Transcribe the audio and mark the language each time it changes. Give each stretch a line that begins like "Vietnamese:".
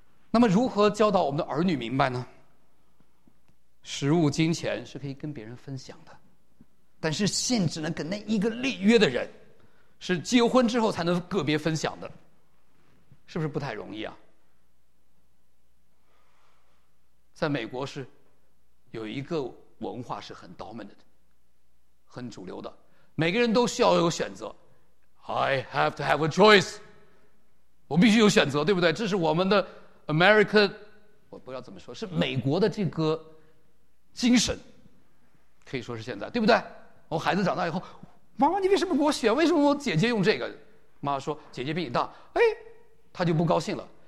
Chinese: 那么如何教导我们的儿女明白呢？食物、金钱是可以跟别人分享的，但是性只能给那一个立约的人，是结婚之后才能个别分享的，是不是不太容易啊？在美国是有一个文化是很 dominant 很主流的，每个人都需要有选择。
English: I have to have a choice，
Chinese: 我必须有选择，对不对？这是我们的 America， 我不知道怎么说，是美国的这个精神，可以说是现在，对不对？我孩子长大以后，妈妈你为什么给我选，为什么我姐姐用这个，妈妈说姐姐比你大，哎，她就不高兴了。